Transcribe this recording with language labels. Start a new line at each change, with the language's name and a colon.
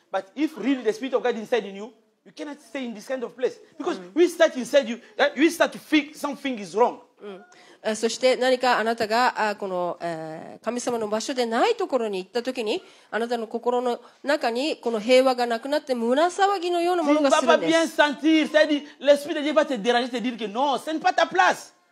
English: But if really the Spirit of God is inside in you, you cannot stay in this kind of place. Because we start inside you, we start to think something is wrong.
Japanese: そして何かあなたがこの神様の場所でないところに行ったときにあなたの心の中にこの平和がなくなって胸騒ぎのようなものがするんです。
French: Bien sentir, c'est-à-dire, l'esprit de Dieu va te déranger, te dire que non, ce n'est pas ta place.